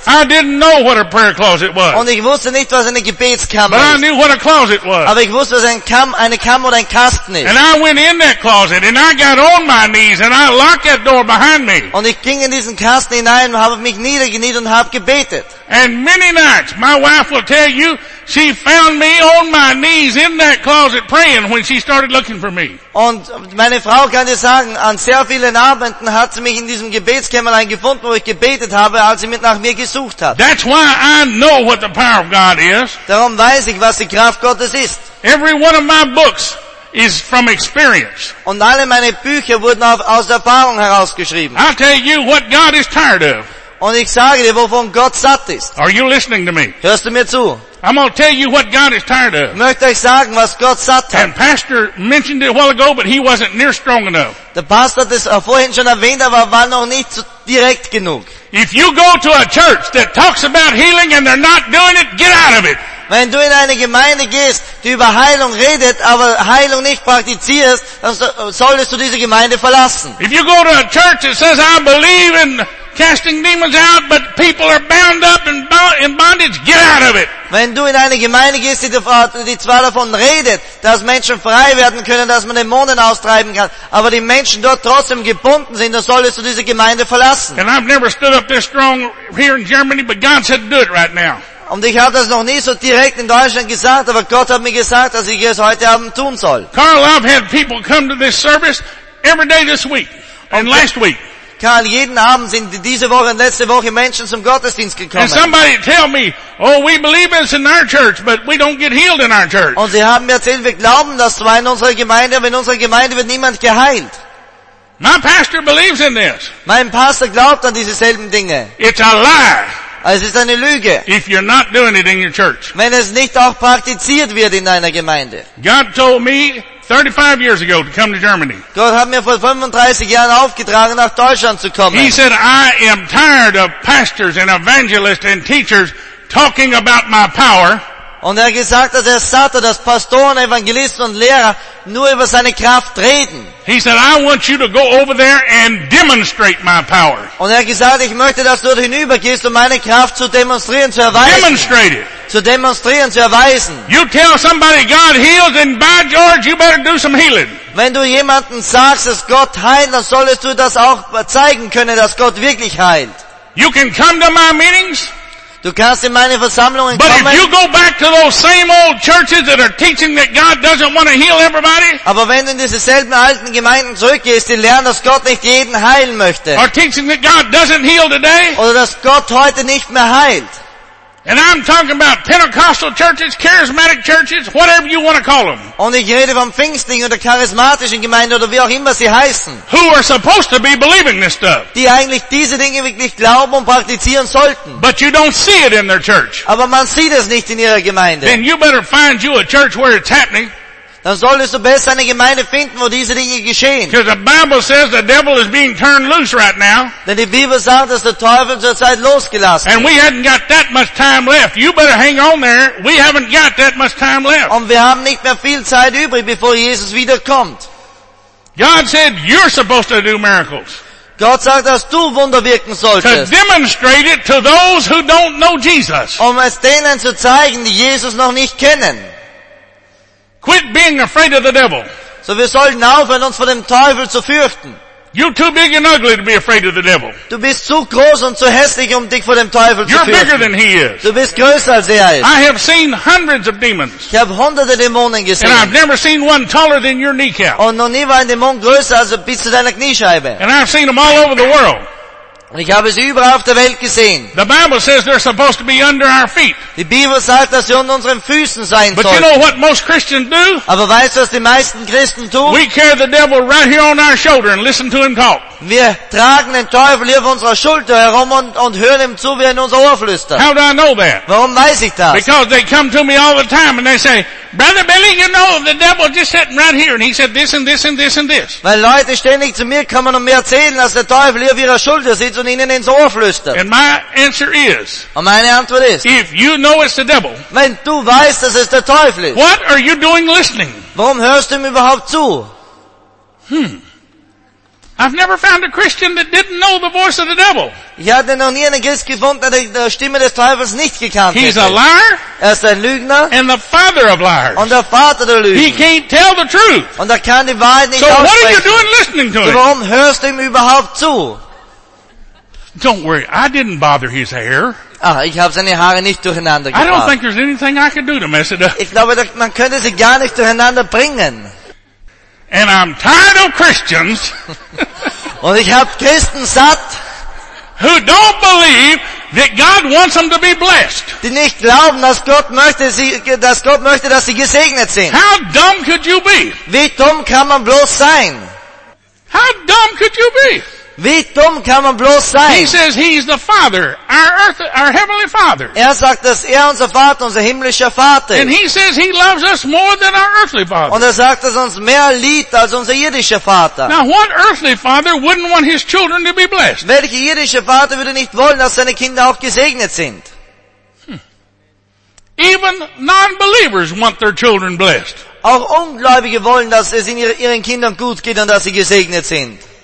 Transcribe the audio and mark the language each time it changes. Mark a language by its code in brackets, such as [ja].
[en] I didn't know what a prayer closet was. [de] Und ich wusste nicht, was eine Gebetskammer ist. [en] But I knew what a closet was. [de] Aber ich wusste, was eine Kammer oder ein Kasten ist. [en] And I went in that closet and I got on my knees and I locked that door behind me. [de] Und ich ging in diesen Kasten hinein und habe mich niedergekniet und habe gebetet. [en] And many nights, my wife will tell you, she found me on my knees in that closet praying when she started looking for me. [de] Und meine Frau kann dir sagen, an sehr vielen Abenden hat sie mich in diesem Gebetskämmerlein gefunden, wo ich gebetet habe, als sie nach mir gesucht hat. [en] That's why I know what the power of God is. [de] Darum weiß ich, was die Kraft Gottes ist. [en] Every one of my books is from experience. [de] Und alle meine Bücher wurden aus Erfahrung herausgeschrieben. [en] I tell you what God is tired of. [de] Und ich sage dir, wovon Gott satt ist. [en] Are you listening to me? [de] Hörst du mir zu? [en] I'm going to tell you what God is tired of. [de] Möchte ich sagen, was Gott satt hat. [en] And Pastor mentioned it a while ago, but he wasn't near strong enough. [de] Der Pastor hat es vorhin schon erwähnt, aber war noch nicht direkt genug. [en] If you go to a church that talks about healing and they're not doing it, get out of it. [de] Wenn du in eine Gemeinde gehst, die über Heilung redet, aber Heilung nicht praktizierst, dann solltest du diese Gemeinde verlassen. [en] If you go to a church that says I believe in casting demons out, but people are bound up in bondage, get out of it. [de] Wenn du in eine Gemeinde gehst, die zwar davon redet, dass Menschen frei werden können, dass man Dämonen austreiben kann, aber die Menschen dort trotzdem gebunden sind, dann solltest du diese Gemeinde verlassen. [en] And I've never stood up this strong here in Germany, but God said do it right now. [de] Und ich habe das noch nie so direkt in Deutschland gesagt, aber Gott hat mir gesagt, dass ich es heute Abend tun soll. [en] Carl, I've had people come to this service every day this week and last week. [de] Karl, jeden Abend sind diese Woche und letzte Woche Menschen zum Gottesdienst gekommen. [en] And somebody tell me, oh, we believe it's in our church, but we don't get healed in our church. [de] Und sie haben mir erzählt, wir glauben das zwar in unserer Gemeinde, aber in unserer Gemeinde wird niemand geheilt. [en] My pastor believes in this. [de] Mein Pastor glaubt an diese selben Dinge. [en] It's a lie. [de] Es ist eine Lüge. [en] If you're not doing it in your church. [de] Wenn es nicht auch praktiziert wird in deiner Gemeinde. [en] God told me 35 years ago to come to Germany. [de] Gott hat mir vor 35 Jahren aufgetragen, nach Deutschland zu kommen. [en] He said, I am tired of pastors and evangelists and teachers talking about my power. [de] Und er gesagt hat, er satt, dass Pastoren, Evangelisten und Lehrer nur über seine Kraft reden. [en] He said, I want you to go over there and demonstrate my power. [de] Und er gesagt, ich möchte, dass du hinübergehst, um meine Kraft zu demonstrieren, zu erweisen. [en] Demonstrate it. [de] Zu demonstrieren, zu erweisen. [en] You tell somebody God heals, and by George, you better do some healing. [de] Wenn du jemanden sagst, dass Gott heilt, dann solltest du das auch zeigen können, dass Gott wirklich heilt. [en] You can come to my meetings. [de] Du kannst in meine Versammlungen kommen. [en] But if you go back to those same old churches that are teaching that God doesn't want to heal everybody. [de] Aber wenn du in diese selben alten Gemeinden zurückgehst, die lernen, dass Gott nicht jeden heilen möchte. [en] Are teaching that God doesn't heal today. [de] Oder dass Gott heute nicht mehr heilt. [en] And I'm talking about Pentecostal churches, charismatic churches, whatever you want to call them. [de] Und ich rede vom Pfingstling oder charismatischen Gemeinden oder wie auch immer sie heißen. [en] Who are supposed to be believing this stuff? [de] Die eigentlich diese Dinge wirklich glauben und praktizieren sollten. [en] But you don't see it in their church. [de] Aber man sieht es nicht in ihrer Gemeinde. [en] Then you better find you a church where it's happening. [de] Dann solltest du besser eine Gemeinde finden, wo diese Dinge geschehen. [en] Because the Bible says the devil is being turned loose right now. [de] Denn die Bibel sagt, dass der Teufel zurzeit losgelassen ist. [en] And we haven't got that much time left. You better hang on there. We haven't got that much time left. [de] Und wir haben nicht mehr viel Zeit übrig, bevor Jesus wiederkommt. [en] God said you're supposed to do miracles. [de] Gott sagt, dass du Wunder wirken solltest. [en] To demonstrate it to those who don't know Jesus. [de] Um es denen zu zeigen, die Jesus noch nicht kennen. [en] Quit being afraid of the devil. [de] So wir sollten aufhören, uns vor dem Teufel zu fürchten. [en] You're too big and ugly to be afraid of the devil. [de] Du bist zu groß und zu hässlich, um dich vor dem Teufel zu fürchten. [en] You're bigger than he is. [de] Du bist größer als er ist. [en] I have seen hundreds of demons. [de] Ich habe hunderte Dämonen gesehen. [en] And I've never seen one taller than your kneecap. [de] Und noch nie war ein Dämon größer als bis zu deiner Kniescheibe. [en] And I've seen them all over the world. [de] Und ich habe sie überall auf der Welt gesehen. [en] The Bible says they're supposed to be under our feet. [de] Die Bibel sagt, dass sie unter unseren Füßen sein sollen. [en] But you know what most Christians do? [de] Aber weißt du, was die meisten Christen tun? [en] We carry the devil right here on our shoulder and listen to him talk. [de] Wir tragen den Teufel hier auf unserer Schulter herum und hören ihm zu, wie er in unser Ohr flüstert. [en] How do I know that? [de] Warum weiß ich das? [en] Because they come to me all the time and they say, Brother Billy, you know the devil just sitting right here, and he said this and this and this and this. [de] Weil Leute ständig zu mir kommen und mir erzählen, dass der Teufel hier auf ihrer Schulter sitzt und ihnen ins Ohr flüstert. [en] And my answer is. [de] Und meine Antwort ist. [en] If you know it's the devil. [de] Wenn du weißt, dass es der Teufel ist. [en] What are you doing listening? [de] Warum hörst du ihm überhaupt zu? [en] I've never found a Christian that didn't know the voice of the devil. [de] Ich hatte noch nie einen Christ gefunden, der die Stimme des Teufels nicht gekannt hätte. [en] He's a liar. [de] Er ist ein Lügner. [en] And the father of liars. [de] Und der Vater der Lügen. [en] He can't tell the truth. [de] Und er kann die Wahrheit nicht aussprechen. [en] So what are you doing listening to him? [de] Warum hörst du ihm überhaupt zu? [en] Don't worry, I didn't bother his hair. [de] Ah, ich habe seine Haare nicht durcheinander gebracht. [en] I don't think there's anything I could do to mess it up. [de] Ich glaube, man könnte sie gar nicht durcheinander bringen. [en] And I'm tired of Christians. [de] Und ich hab Christen satt. [en] Who don't believe that God wants them to be blessed. [de] Die nicht glauben, dass Gott möchte, dass sie gesegnet sind. [en] How dumb could you be? [de] Wie dumm kann man bloß sein? [en] How dumb could you be? [de] Wie dumm kann man bloß sein? [en] He says he's the Father, our heavenly Father. [de] Er sagt, dass unser Vater, unser himmlischer Vater. [en] And he says he loves us more than our earthly father. [de] Und sagt, dass uns mehr liebt als unser irdischer Vater. [en] Now what earthly father wouldn't want his children to be blessed? [de] Welcher irdische Vater würde nicht wollen, dass seine Kinder auch gesegnet sind? [en] Even non-believers want their children blessed. [de] Auch Ungläubige wollen, dass es ihren Kindern gut geht und dass sie gesegnet sind.